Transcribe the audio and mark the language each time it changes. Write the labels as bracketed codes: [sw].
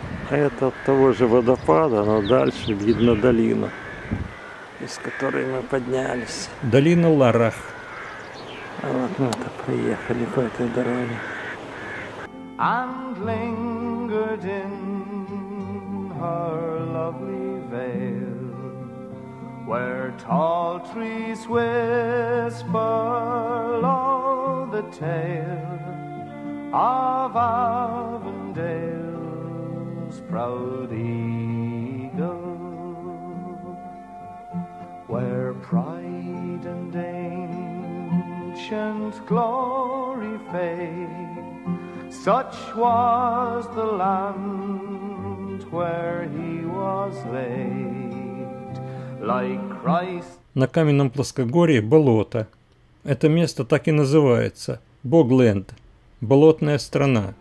[ru] Это от того же водопада, но дальше видно долину, из которой мы поднялись. Долина Ларах. А вот мы-то поехали по этой дороге. [en] And lingered in her lovely vale, where tall trees whisper low the tale of Avondale. Proud eagle, where pride and ancient glory fade, such was the land where he was laid, like Christ. [ru] На каменном плоскогорье болото. Это место так и называется Богленд, болотная страна.